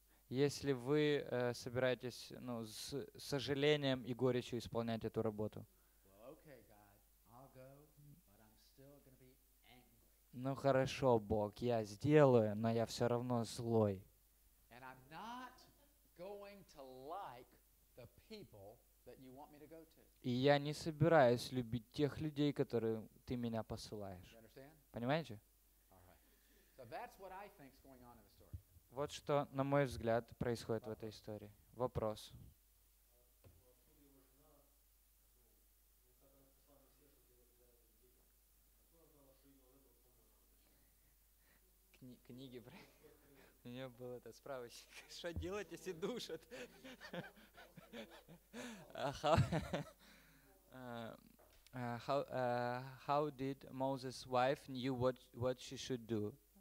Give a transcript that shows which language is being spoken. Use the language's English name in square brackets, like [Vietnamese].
[Russian] Если вы собираетесь, ну, с сожалением и горечью исполнять эту работу. [English] Well, okay, God, I'll go, but I'm still gonna be angry. [Russian] Ну хорошо, Бог, я сделаю, но я все равно злой. [English] And I'm not going to like the people that you want me to go to. [Russian] И я не собираюсь любить тех людей, которые ты меня посылаешь. Понимаете? [English] So that's what I think is going on. [Russian] Вот что, на мой взгляд, происходит в этой истории. Вопрос. Книги. У меня был этот справочник. Что делать, если душат? [English] How did Moses' wife knew what she should do?